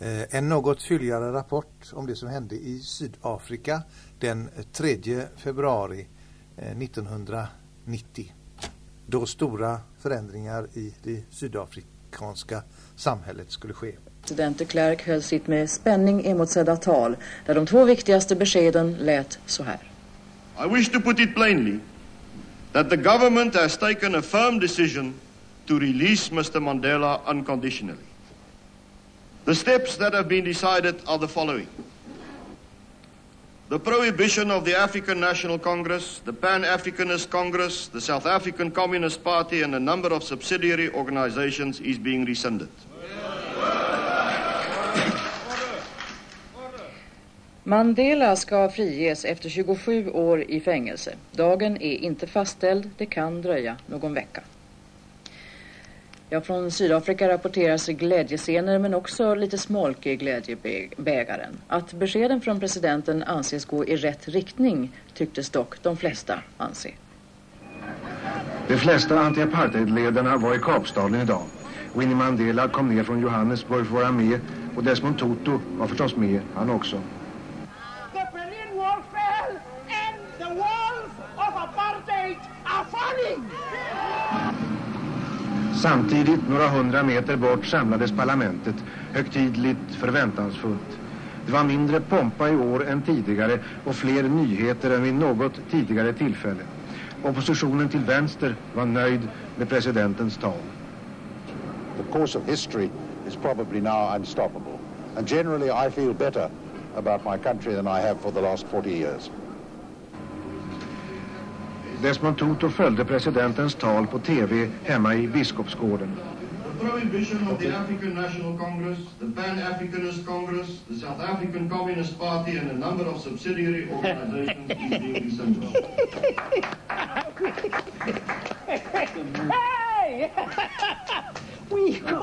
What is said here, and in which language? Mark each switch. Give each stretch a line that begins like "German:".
Swedish: En något fylligare rapport om det som hände i Sydafrika den 3 februari 1990. Då stora förändringar i det sydafrikanska samhället skulle ske. President de Klerk höll sitt med spänning emotsedda tal där de två viktigaste beskeden lät så här.
English: I wish to put it plainly that the government has taken a firm decision to release Mr. Mandela unconditionally. The steps that have been decided are the following. The prohibition of the African National Congress, the Pan-Africanist Congress, the South African Communist Party and a number of subsidiary organizations is being rescinded.
Swedish: Mandela ska friges efter 27 år i fängelse. Dagen är inte fastställd, det kan dröja någon vecka. Ja, från Sydafrika rapporteras glädjescener men också lite smolk i glädjebägaren. Att beskeden från presidenten anses gå i rätt riktning tycktes dock de flesta anse. De flesta anti-apartheidledarna var i Kapstaden idag. Winnie Mandela kom ner från Johannesburg för att vara med och Desmond Tutu var förstås med, han också.
English: The Berlin Wall fell and the walls of apartheid are falling!
Swedish: Samtidigt, några hundra meter bort, samlades parlamentet, högtidligt förväntansfullt. Det var mindre pompa i år än tidigare och fler nyheter än vid något tidigare tillfälle. Oppositionen till vänster var nöjd med presidentens tal.
English: The course of history is probably now unstoppable. And generally I feel better about my country than I have for the last 40 years.
Swedish: Desmond Tutu följde presidentens tal på TV hemma i Biskopsgården.
English: The prohibition of the African National Congress, the Pan-Africanist Congress, the South African Communist Party and a number of subsidiary organizations